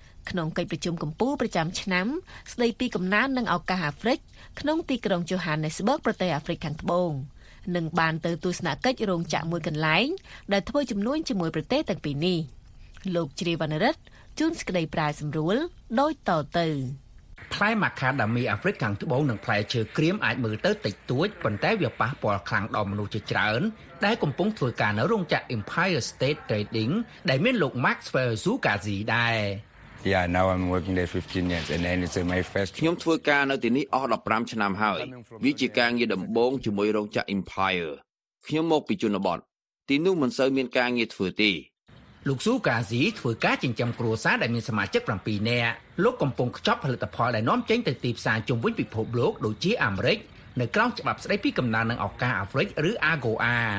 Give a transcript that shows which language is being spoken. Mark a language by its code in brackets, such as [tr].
[km] ក្នុងកិច្ចប្រជុំកំពូលប្រចាំឆ្នាំស្ដីពីកំណើននិងឱកាសអាហ្វ្រិកក្នុងទីក្រុង Johannesburg ប្រទេសអាហ្វ្រិកខាងត្បូងនិងបានទៅទស្សនកិច្ចរោងចក្រមួយកន្លែងដែលធ្វើជំនួញជាមួយប្រទេសទាំងពីរនេះលោកជ្រីវណ្ណរិទ្ធជួនសេចក្តីប្រាយសម្រួលដូចតទៅ ផ្លែមាកាដាមីអាហ្វ្រិកខាងត្បូងនិងផ្លែឈើក្រៀមអាចមើលទៅតិចតួចប៉ុន្តែវាប៉ះពាល់ខ្លាំងដល់មនុស្សជាច្រើនដែលកំពុងធ្វើការនៅរោងចក្រ Empire State Trading ដែលមានលោក Max Verzukazi ដែរ [en] Yeah now I'm working there 15 years and then it's my first [km] ខ្ញុំធ្វើការនៅទីនេះអស់15ឆ្នាំហើយវាជាការងារដំបូងជាមួយរោងចក្រ Empire ខ្ញុំមកពីជនបទទីនោះមិនសូវមានការងារធ្វើទេ លោកស៊ូកាស៊ីធ្វើការចិញ្ចឹមគ្រួសារដែលមានសមាជិក7នាក់លោកកំពុងខ្ចប់ផលិតផលដែលនាំចេញទៅទីផ្សារជុំវិញពិភពលោកដូចជាអាមេរិកនៅក្រោមច្បាប់ស្ដីពីកំណើននិងឱកាសអាហ្វ្រិកឬ AGOA